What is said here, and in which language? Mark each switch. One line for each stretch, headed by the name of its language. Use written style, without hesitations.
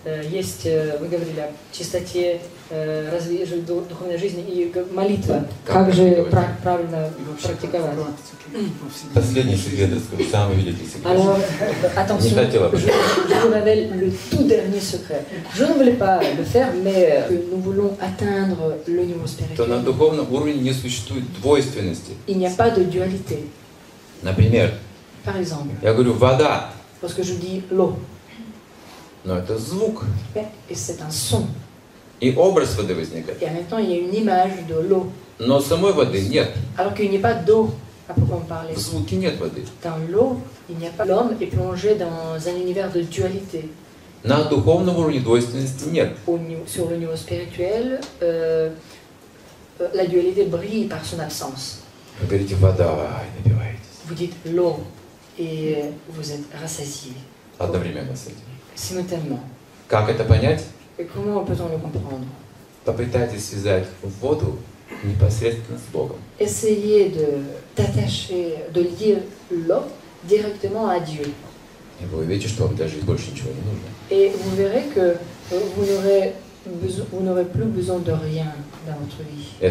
Russian: Есть вы говорили о чистоте, развитие духовной жизни и молитва. Как же правильно практиковать? Последний секрет, скажу, самый великий секрет.
French: Alors, attention. Je vous révèle le tout dernier secret. Je ne voulais pas le faire, mais nous voulons atteindre le niveau spirituel.
Russian: То на духовном уровне не существует двойственности.
French: Il n'y a pas de dualité.
Russian: Например.
French: Par exemple.
Russian: Я говорю вода.
French: Parce que je dis l'eau.
Russian: Но это звук.
French: Et c'est un son.
Russian: И образ воды возникает.
French: Et en même temps, il y a une image de l'eau.
Russian: Но самой воды нет.
French: Alors qu'il n'y a pas d'eau. À proprement parler.
Russian: В звуке нет воды.
French: Dans l'eau, il n'y a pas. L'homme est plongé dans un univers de dualité.
Russian: На духовном уровне двойственности нет.
French: Sur le niveau spirituel, la dualité brille par son absence.
Russian: Вы говорите вода, и напиваетесь.
French: Vous dites l'eau, et vous êtes rassasié.
Russian: Одновременно с этим.
French: Simultanément.
Russian: Как это понять?
French: Et comment peut-on le comprendre?
Russian: Попытайтесь связать воду непосредственно с Богом.
French: Essayez d'attacher, de lier l'eau directement à Dieu. Et vous verrez que vous n'aurez plus besoin de rien. Et vous verrez que vous n'aurez plus besoin de rien dans votre vie.